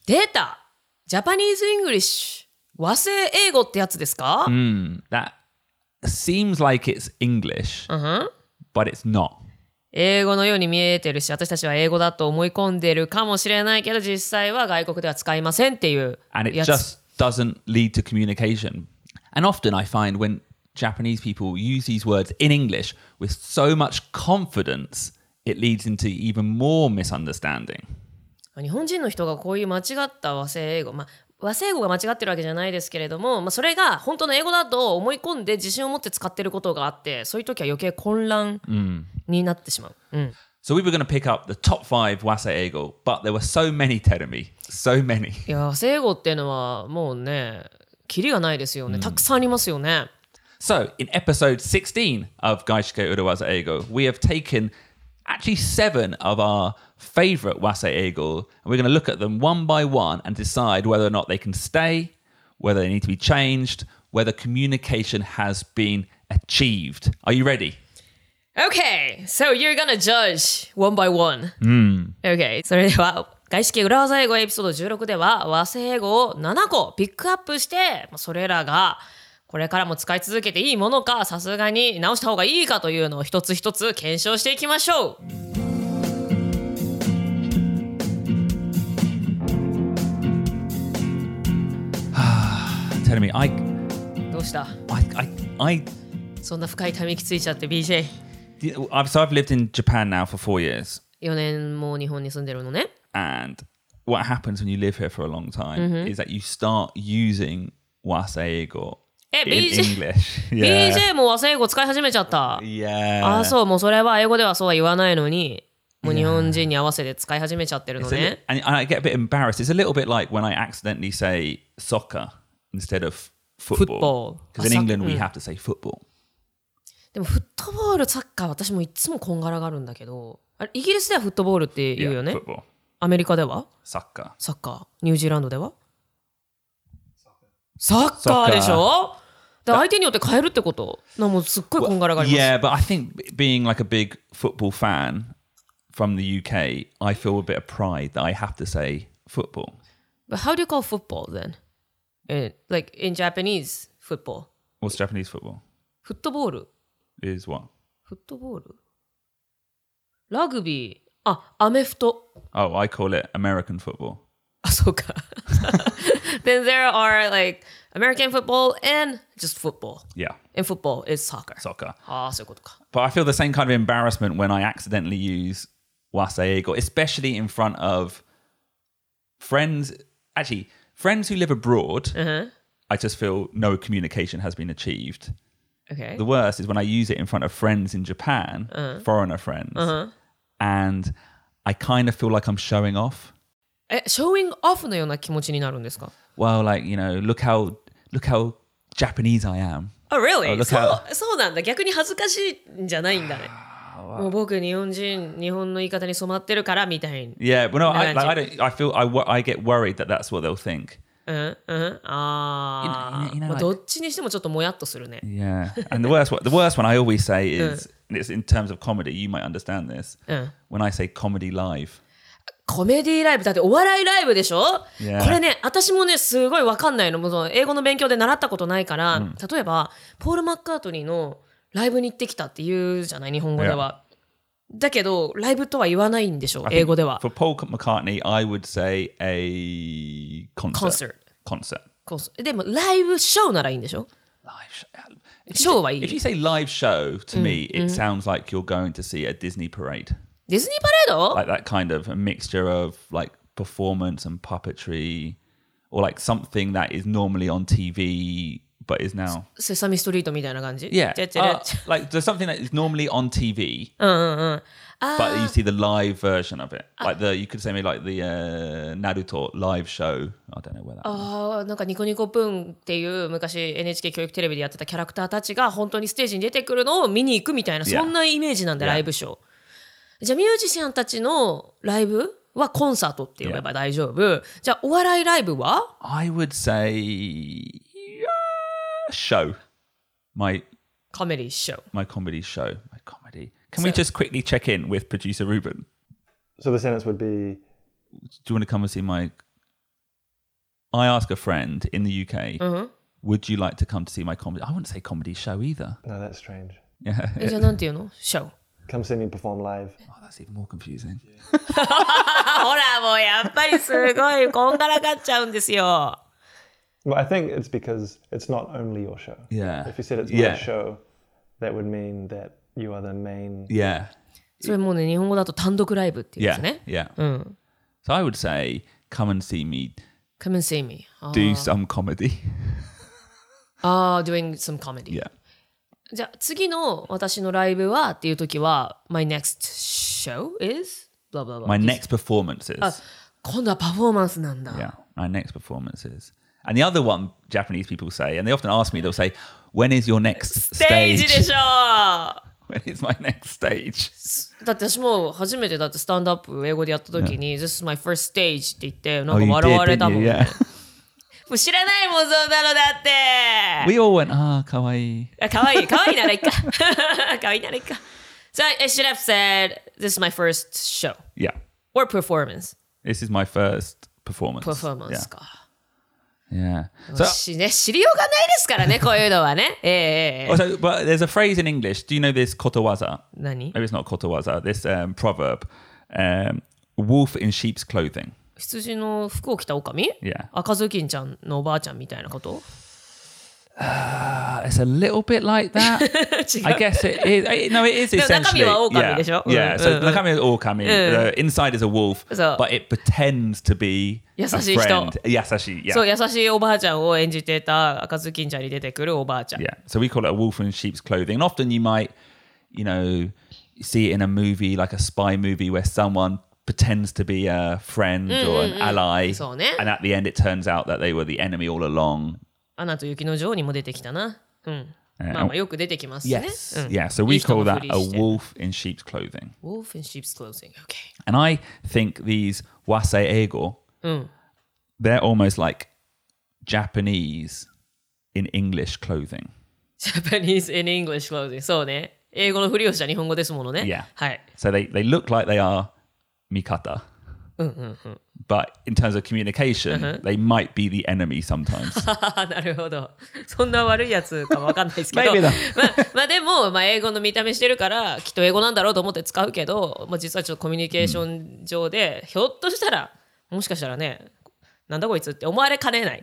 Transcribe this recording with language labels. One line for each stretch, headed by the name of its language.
Japanese: 出た
English: !Japanese English!
Japanese: 和製英語ってやつですか?
English: That seems like it's English,、 uh-huh. but it's not.
Japanese: 英語のように見えてるし、私たちは英語だと思い込んでるかもしれないけど、実際は外国では使いませんっていうやつ。
English: And it just doesn't lead to communication. And often I find whenJapanese people use these words in English with so much confidence, it leads into even more misunderstanding.
Japanese: 日本人の人がこういう間違った和製英語、まあ、和製英語が間違ってるわけじゃないですけれども、まあ、それが本当の英語だと思い込んで自信を持って使ってることがあって、そういう時は余計混乱になってしまう。
English: So we were going to pick up the top five 和製英語, but there were so many, Terumi. So many.
Japanese: いや、和製英語っていうのはもうね、キリがないですよね。たくさんありますよね。
English: So, in episode 16 of 外資系裏技英語, we have taken actually 7 of our favorite 和製英語, and we're going to look at them one by one and decide whether or not they can stay, whether they need to be changed, whether communication has been achieved. Are you ready? Okay, so you're going to judge one by one.、 Mm.
Japanese: Okay, それでは外資系裏技英語エピソード16では和製英語を7個ピックアップして、それらがこれからも使い続けていいものか、さすがに直した方がいいかというのを一つ一つ検証していきましょう。
English: テルミ、I...
Japanese: どうした?
English: I...
Japanese: そんな深いため息ついちゃって、BJ。
English: So I've lived in Japan now for 4 years.
Japanese: 4年も日本に住んでるのね。
English: And what happens when you live here for a long time、mm-hmm. is that you start using 和製英語。
Japanese: BJ も和製英語使い始めちゃった。
English: Yeah.
Japanese: ああそう、もうそれは英語ではそうは言わないのに、もう日本人に合わせて使い始めちゃってるのね。
English: Yeah. And I get a bit embarrassed. It's a little bit like when I accidentally say soccer instead of football. Because in England we have to say football.
Japanese: でもフットボール、サッカー、私もいつもこんがらがるんだけど、あれ、イギリスではフットボールって言うよね。 Yeah, football. アメリカでは? サッカー。サッカー。ニュージーランドでは? サッカーでしょ? で、相手によって変えるってこと?なんもうすっごいこんがらがります。
English: Yeah, but I think being like a big football fan from the UK, I feel a bit of pride that I have to say football. But how do you call football then? Like in Japanese football? What's Japanese football?
Japanese: フットボール
English: is what?
Japanese: フットボール?ラグビー。あ、アメフト。
English: Oh, I call it American football.
Japanese: あ、そうか。
English: Then there are like American football and just football. Yeah. And football is soccer. Soccer.
Japanese: ああ、そういうことか。
English: But I feel the same kind of embarrassment when I accidentally use wasaego, especially in front of friends. Actually, friends who live abroad,、I just feel no communication has been achieved. Okay. The worst is when I use it in front of friends in Japan,、foreigner friends,、and I kind of feel like I'm showing off.
Japanese: Showing off のような気持ちになるんですか?
English: Well, like, you know, look how Japanese I am. Oh, really?
Japanese: そうなんだ。逆に恥ずかしいんじゃないんだね。
English: Wow.
Japanese: もう僕日本人、日本の言い方に染まってるからみたいな。
English: Yeah, but no, I get worried that that's what they'll think.
Japanese: どっちにしてもちょっともやっとするね。
English: Yeah, and the worst one I always say is, it's in terms of comedy, you might understand this,、when I say comedy live.
Japanese: コメディライブ、だってお笑いライブでしょ、yeah. これね、私もね、すごいわかんないの。その英語の勉強で習ったことないから、例えば、ポール・マッカートニーのライブに行ってきたって言うじゃない日本語では、yeah. だけどライブとは言わないんでしょ英語では
English: For Paul McCartney I would say a concert.
Japanese: でもライブショーならいいんでしょ
English: live show.
Japanese: ショーはいい
English: If you say live show to me it sounds like you're going to see a Disney parade Disney parade? Like that kind of a mixture of like performance and puppetry or like something that is normally on TVBut is now.
Japanese: Sesame Street みたいな感じ?
English: Yeah. Like, there's something that is normally on TV, but you see the live version of it. Like, you could say maybe like the Naruto live show. I don't know where that
Japanese: Ah, なんかニコニコプンっていう昔 NHK 教育テレビでやってたキャラクターたちが本当にステージに出てくるのを見に行くみたいな、そんなイメージなんだ、ライブショー。じゃあミュージシャンたちのライブはコンサートって呼べば大丈夫。じゃあお笑いライブは?
English: I would say... Show my comedy show. My comedy. Can we just quickly check in with producer Ruben? So the sentence would be Do you want to come and see my? I ask a friend in the UK,、would you like to come to see my comedy? I wouldn't say comedy show either. No, that's strange. Yeah.
Japanese: じゃあなんて言うの?Show.
English: Come see me perform live. Oh, that's even more confusing.
Japanese: ほらもうやっぱりすごいこんがらがっちゃうんですよ。
English: But I think it's because it's not only your show. Yeah. If you said it's my show, that would mean that you are the main... Yeah.
Japanese: それもね、日本語だと単独ライブっていうんですね。
English: Yeah. So I would say, come and see me. Come and see me. Do some comedy. doing some comedy. Yeah.
Japanese: じゃあ次の私のライブはっていう時は、
English: my next show is? Blah, blah, blah. My next performance is.
Japanese: 今度はパフォーマンスなんだ。
English: Yeah. My next performance is. And the other one Japanese people say, and they often ask me, they'll say, when is your next stage?
Japanese: Stage でしょ
English: When is my next stage?
Japanese: だって私も初めてだってスタンドアップ英語でやった時に、
English: yeah. This is my first stage
Japanese: って言って、なんか笑われたもん。
English: Oh, yeah.
Japanese: もう知らないもんそうなのだって。
English: We all went, ah,
Japanese: かわいい。かわいい、かわいいならいいか。かわいいならいいか。
English: So I should have said, this is my first show. Yeah. Or performance. This is my first performance. Performance、 yeah.
Japanese: か。
English: Yeah.
Japanese: So, ね、知りようがないですからね、こういうのはね。
English: Also, but there's a phrase in English. Do you know this ことわざ?
Japanese: 何?
English: Maybe it's not ことわざ.This proverb. Wolf in sheep's clothing.
Japanese: 羊の服を着たオカミ?
English: Yeah.
Japanese: 赤ずきんちゃんのおばあちゃんみたいなこと?
English: It's a little bit like that.
Japanese: 違う。
English: I guess it is. No, it is essentially.
Japanese: 中身はオカミでしょ?
English: Yeah. So,
Japanese: 中身はオカミ。
English: Inside is a wolf. So. But it pretends to be...
Japanese: 優しい人。優しい、yeah. そう、優しいおばあちゃんを演じてた赤ずきんちゃんに出てくるおばあちゃん。
English: Yeah. So we call it a wolf in sheep's clothing. And often you might, you know, see it in a movie, like a spy movie, where someone pretends to be a friend or an ally.
Japanese: そうね。
English: And at the end it turns out that they were the enemy all along.
Japanese: アナと雪の女王にも出てきたな。まあまあよく出てきますね。
English: Yes. Yeah. So we call that a wolf in sheep's clothing. Wolf in sheep's clothing. Okay. And I think these wasaego,They're almost like Japanese in English clothing. Japanese in English clothing.
Japanese: そうね。英語のふりをした日本語ですものね。
English: Yeah.
Japanese: はい。
English: So they look like they are mikata. But in terms of communication, they might be the enemy sometimes.
Japanese: なるほど。そんな悪いやつかわかんないですけど。
English: Maybe not.
Japanese: まあでも、まあ、英語の見た目してるから、きっと英語なんだろうと思って使うけど、まあ、実はちょっとコミュニケーション上で、ひょっとしたら、もしかしたらね、なんだこいつって思われかねない。